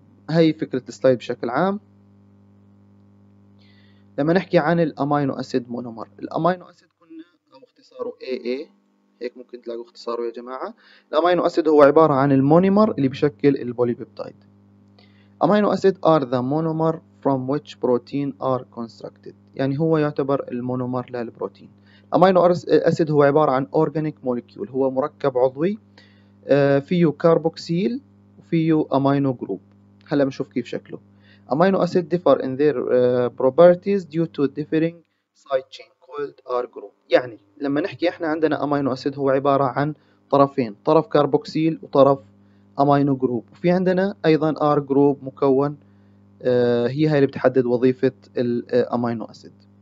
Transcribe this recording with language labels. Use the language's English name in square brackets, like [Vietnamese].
[Arabic] هاي فكرة السلايد بشكل عام. لما نحكي عن الأمينو أسيد مونومر، الأمينو أسيد كنا أو اختصاره AA، هيك ممكن تلاقوا اختصاره يا جماعة. الأمينو أسيد هو عبارة عن المونومر اللي بشكل البوليبيبتايد. [English] amino acid are the monomer from which protein are constructed، [Arabic] يعني هو يعتبر المونومر للبروتين. الأمينو أسيد هو عبارة عن [English] organic molecule، [Arabic] هو مركب عضوي فيه كاربوكسيل وفيه أمينو جروب. هلا بنشوف كيف شكله. [English] amino acid differ in their properties due to differing side chain called R group، [Arabic] يعني لما نحكي احنا عندنا أمينو أسيد هو عبارة عن طرفين، طرف كاربوكسيل وطرف أمينو جروب، وفي عندنا أيضا R group مكون، هي هاي اللي بتحدد وظيفة الأمينو أسيد.